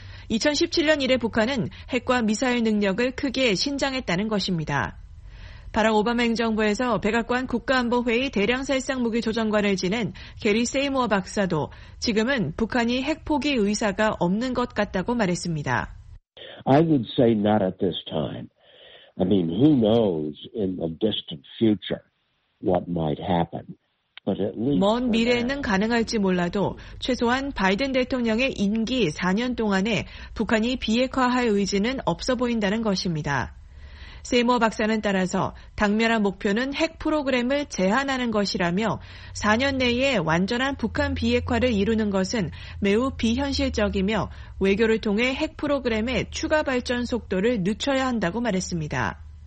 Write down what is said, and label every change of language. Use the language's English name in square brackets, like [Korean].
[Korean] 2017년 이래 북한은 핵과 미사일 능력을 크게 신장했다는 것입니다. 바락 오바마 행정부에서 백악관 국가안보회의 대량살상무기 조정관을 지낸 게리 세이모어 박사도 지금은 북한이 핵포기 의사가 없는 것 같다고 말했습니다. [English] I would say not at this time. I mean, who knows in the distant future what might happen. [Korean] 먼 미래에는 가능할지 몰라도 최소한 바이든 대통령의 임기 4년 동안에 북한이 비핵화할 의지는 없어 보인다는 것입니다. 세이머 박사는 따라서 당면한 목표는 핵 프로그램을 제한하는 것이라며 4년 내에 완전한 북한 비핵화를 이루는 것은 매우 비현실적이며 외교를 통해 핵 프로그램의 추가 발전 속도를 늦춰야 한다고 말했습니다.